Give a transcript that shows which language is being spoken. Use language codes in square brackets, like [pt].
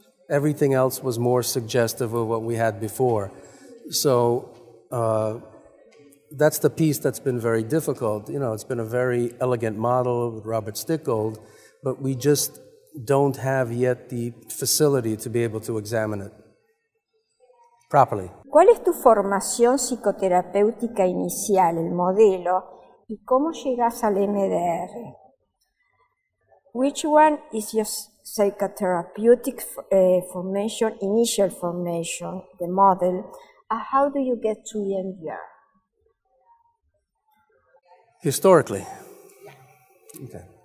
[en] Everything else was more suggestive of what we had before. So that's the piece that's been very difficult. You know, it's been a very elegant model with Robert Stickgold, but we just don't have yet the facility to be able to examine it properly. [es] ¿Cuál es tu formación psicoterapéutica inicial, el modelo, y cómo llegas al MDR? [en] Which one is your psychotherapeutic formation, initial formation, the model, and how do you get to EMDR? Historically? Okay.